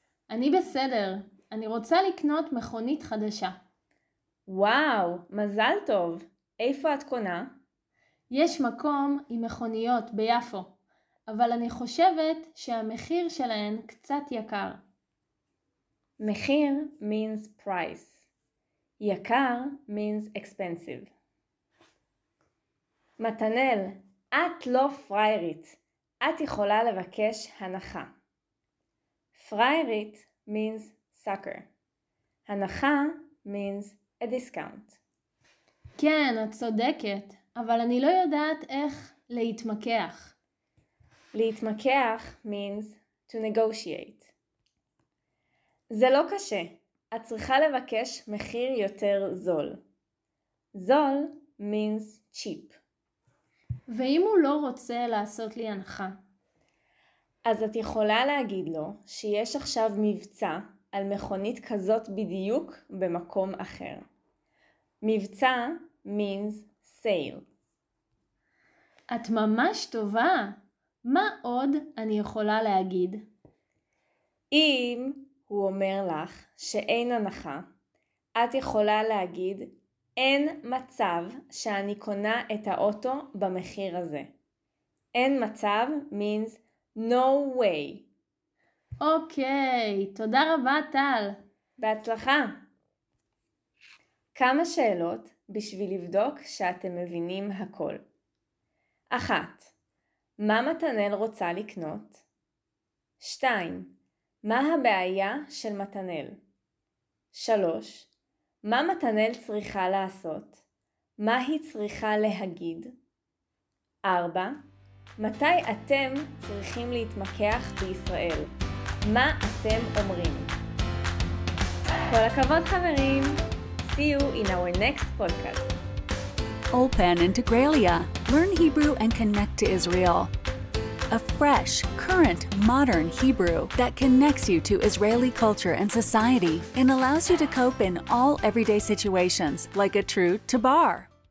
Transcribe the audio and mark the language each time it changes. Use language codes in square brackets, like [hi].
[he] אני בסדר, אני רוצה לקנות מכונית חדשה. וואו, מזל טוב. איפה את קונה? יש מקום עם מכוניות ביפו, אבל אני חושבת שהמחיר שלהן קצת יקר. [en] מחיר means price. יקר means expensive. [he] מתנאל, את לא פריירית. את יכולה לבקש הנחה. [en] פריירית means sucker. הנחה means a discount. [he] כן, את צודקת, אבל אני לא יודעת איך להתמקח. [en] להתמקח means to negotiate. [he] זה לא קשה. את צריכה לבקש מחיר יותר זול. [en] זול means cheap. [he] ואם הוא לא רוצה לעשות לי הנחה? אז את יכולה להגיד לו שיש עכשיו מבצע על מכונית כזאת בדיוק במקום אחר. [en] מבצע means sale. [he] את ממש טובה. מה עוד אני יכולה להגיד? אם הוא אומר לך שאין הנחה, את יכולה להגיד אין מצב שאני קונה את האוטו במחיר הזה. [en] אין מצב means no way. [he] אוקיי, תודה רבה טל. בהצלחה. כמה שאלות בשביל לבדוק שאתם מבינים הכל. אחת, מה מתנאל רוצה לקנות? שתיים, מה הבעיה של מתנאל? שלוש, מה מתנאל צריכה לעשות? מה היא צריכה להגיד? 4. מתי אתם צריכים להתמקח בישראל? מה אתם אומרים? כל הכבוד חברים! [en] See you in our next podcast. Ulpan Integraliah. Learn Hebrew and connect to Israel. A fresh, current, modern Hebrew that connects you to Israeli culture and society and allows you to cope in all everyday situations like a true tabar.